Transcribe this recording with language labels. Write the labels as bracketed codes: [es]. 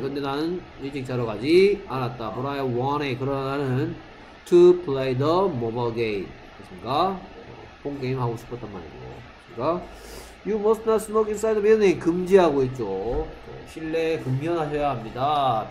[ko] 근데 나는 일찍 자러 가지 않았다. [en] But I wanted, [ko] 그러나 나는 [en] to play the mobile game. [ko] 그렇습니까? 폰 게임 하고 싶었단 말이고. 그러니까 [en] you must not smoke inside the building. [ko] 금지하고 있죠. 실내에 금연하셔야 합니다.